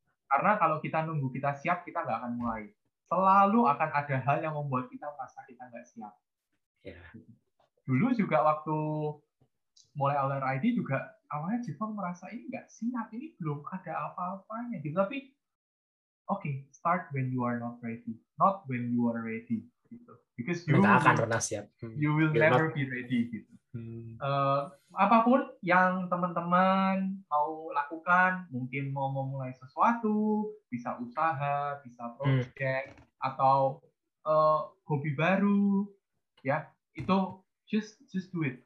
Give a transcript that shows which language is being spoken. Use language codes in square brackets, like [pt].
[id] Karena kalau kita nunggu kita siap, kita nggak akan mulai. Selalu akan ada hal yang membuat kita merasa kita nggak siap. Dulu juga waktu mulai order ID juga awalnya Jevon merasa ini nggak siap, ini belum ada apa-apanya. [en] Tapi okay, start when you are not ready, not when you are ready. Because you [id] tidak akan pernah siap. [en] You will you're never not... be ready. [id] Apapun yang teman-teman mau lakukan, mungkin mau memulai sesuatu, bisa usaha, bisa project, atau hobi baru, ya itu [en] just do it.